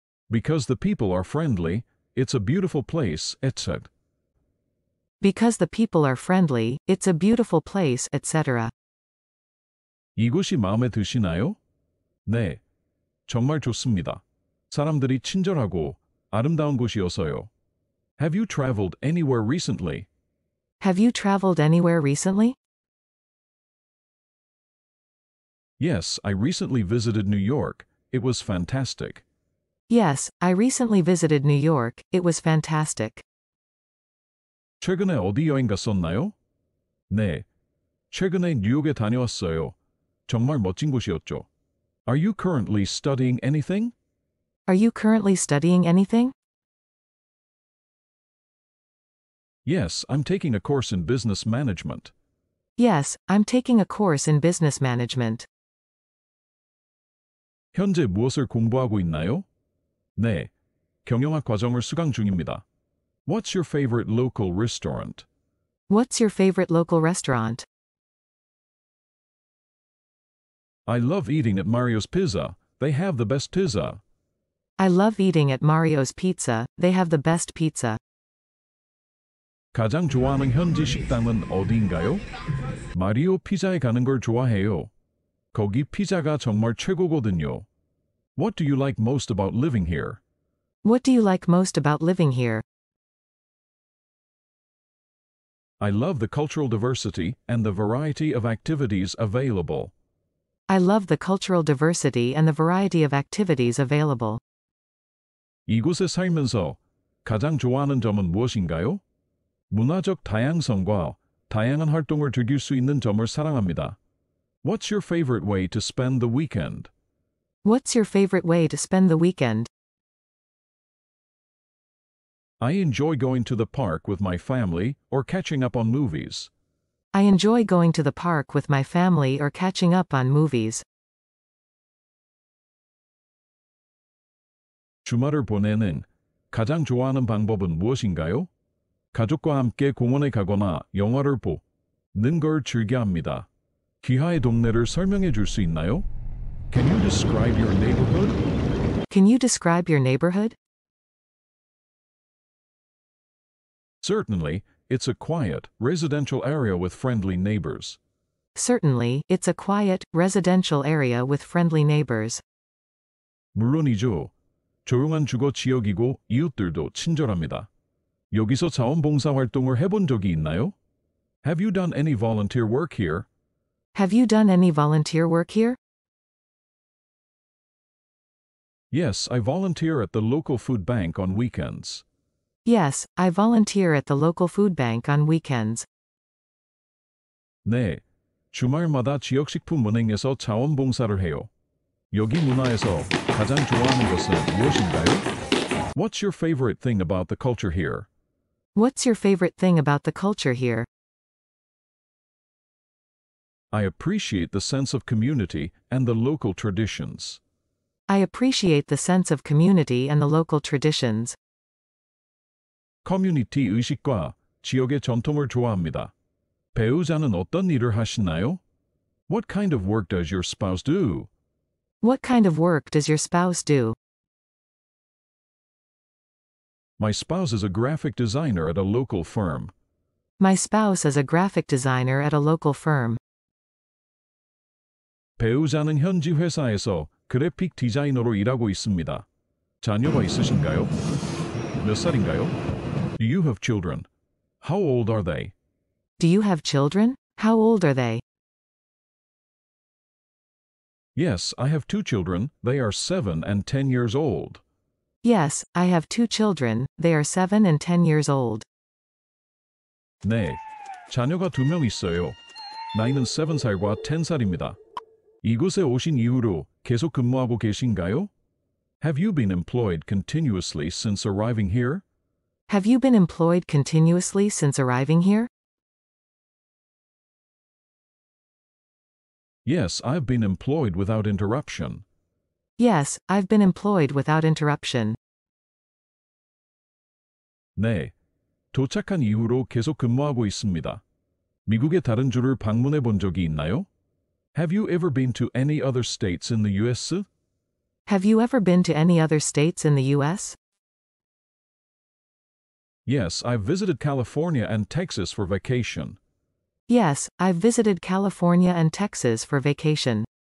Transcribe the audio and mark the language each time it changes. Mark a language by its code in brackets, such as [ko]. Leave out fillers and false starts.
[en] Because the people are friendly, it's a beautiful place, etc. Because the people are friendly, it's a beautiful place, etc. [ko] 이곳이 마음에 드시나요? 네, 정말 좋습니다. 사람들이 친절하고 아름다운 곳이어서요. [en] Have you traveled anywhere recently? Have you traveled anywhere recently? Yes, I recently visited New York. It was fantastic. Yes, I recently visited New York. It was fantastic. [ko] 최근에 어디 여행 갔었나요? 네, 최근에 뉴욕에 다녀왔어요. 정말 멋진 곳이었죠. [en] Are you currently studying anything? Are you currently studying anything? Yes, I'm taking a course in business management. Yes, I'm taking a course in business management. [ko] 현재 무엇을 공부하고 있나요? 네, 경영학 과정을 수강 중입니다. [en] What's your favorite local restaurant? What's your favorite local restaurant? I love eating at Mario's Pizza. They have the best pizza. I love eating at Mario's Pizza. They have the best pizza. [ko] 가장 좋아하는 현지 식당은 어디인가요? 마리오 피자에 가는 걸 좋아해요. 거기 피자가 정말 최고거든요. [en] What do you like most about living here? What do you like most about living here? I love the cultural diversity and the variety of activities available. I love the cultural diversity and the variety of activities available. [ko] 이곳에 살면서 가장 좋아하는 점은 무엇인가요? 문화적 다양성과 다양한 활동을 즐길 수 있는 점을 사랑합니다. [en] What's your favorite way to spend the weekend? What's your favorite way to spend the weekend? I enjoy going to the park with my family or catching up on movies. I enjoy going to the park with my family or catching up on movies. [ko] 주말을 보내는 가장 좋아하는 방법은 무엇인가요? 가족과 함께 공원에 가거나 영화를 보는 걸 즐겨합니다. 귀하의 동네를 설명해 줄 수 있나요? [en] Can you describe your neighborhood? Can you describe your neighborhood? Certainly, it's a quiet, residential area with friendly neighbors. Certainly, it's a quiet, residential area with friendly neighbors. [ko] 물론이죠. 조용한 주거 지역이고 이웃들도 친절합니다. 여기서 자원봉사 활동을 해본 적이 있나요? [en] Have you done any volunteer work here? Have you done any volunteer work here? Yes, I volunteer at the local food bank on weekends. Yes, I volunteer at the local food bank on weekends. [ko] 네, 주말마다 지역 식품 은행에서 자원봉사를 해요. 여기 문화에서 가장 좋아하는 것은 무엇인가요? [en] What's your favorite thing about the culture here? What's your favorite thing about the culture here? I appreciate the sense of community and the local traditions. I appreciate the sense of community and the local traditions. [ko] Community 의식과 지역의 전통을 좋아합니다. 배우자는 어떤 일을 하시나요? [en] What kind of work does your spouse do? What kind of work does your spouse do? My spouse is a graphic designer at a local firm. My spouse is a graphic designer at a local firm. [ko] 배우자는 현지 회사에서 그래픽 디자이너로 일하고 있습니다. 자녀가 있으신가요? 몇 살인가요? [en] Do you have children? How old are they? Do you have children? How old are they? Yes, I have two children. They are 7 and 10 years old. Yes, I have two children. They are 7 and 10 years old. [ko] 네, 자녀가 두 명 있어요. 나이는 7 살과 10 살입니다. 이곳에 오신 이후로 계속 근무하고 계신가요? [en] Have you been employed continuously since arriving here? Have you been employed continuously since arriving here? Yes, I've been employed without interruption. Yes, I've been employed without interruption. [ko] 네, 도착한 이후로 계속 근무하고 있습니다. 미국의 다른 주를 방문해 본 적이 있나요? [en] Have you ever been to any other states in the U.S.? Have you ever been to any other states in the U.S.? Yes, I've visited California and Texas for vacation. Yes, I've visited California and Texas for vacation.